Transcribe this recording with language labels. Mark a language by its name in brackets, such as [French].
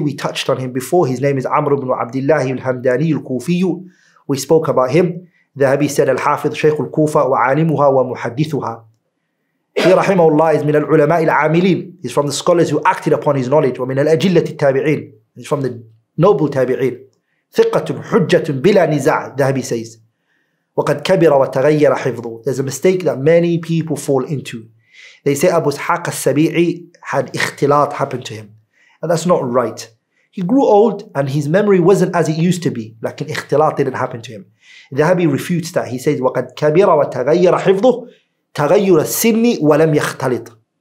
[English] We touched on him before. His name is Amr ibn Abdullah al-Hamdani al-Kufiyu. We spoke about him. Dhahabi said, [Arabic] Al-Hafidh Shaykh al-Kufa wa'alimuha wa muhadithuha. [English] He, rahimahullah, is [Arabic] min al-ulama' al-amilin. [English] He's from the scholars who acted upon his knowledge. [Arabic] Wa min al-ajillati al-tabi'in. [English] He's from the noble tabi'in. [Arabic] ثقة حجة بلا نزاع. ذهبي says وقد كبر وتغير حفظه. [English] There's a mistake that many people fall into. They say Abu Ishaq al-Sabi'i had ikhtilat happened to him. And that's not right. He grew old and his memory wasn't as it used to be. Like an ikhtilat didn't happen to him. Dhabi refutes that. He says, [Arabic] وَقَدْ كَبِرَ وَتَغَيَّرَ حِفْظُهُ تَغَيُّرَ السِّنِّ وَلَمْ يَخْتَلِطْ.